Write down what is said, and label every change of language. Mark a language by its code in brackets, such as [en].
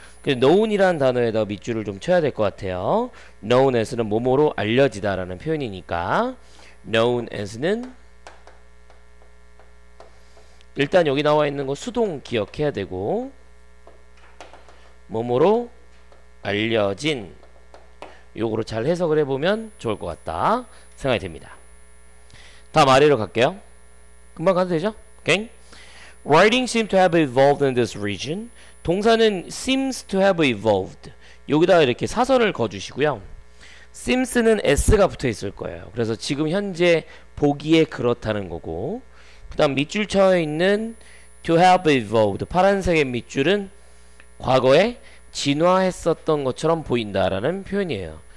[ko] 노운이라는 단어에다 밑줄을 좀 쳐야 될것 같아요. Known as 는 뭐뭐로 알려지다라는 표현이니까, Known as는 일단 여기 나와 있는 거 수동 기억해야 되고, 뭐뭐로 알려진 요거로 잘 해석을 해보면 좋을 것 같다 생각이 됩니다. 다음 아래로 갈게요. 금방 가도 되죠? 오케이. [en] Writing seem to have evolved in this region. 동사는 seems to have evolved. [ko] 여기다가 이렇게 사선을 그어주시고요. seems는 s가 붙어 있을 거예요. 그래서 지금 현재 보기에 그렇다는 거고. 그 다음 밑줄 쳐 있는 to have evolved. 파란색의 밑줄은 과거에 진화했었던 것처럼 보인다라는 표현이에요.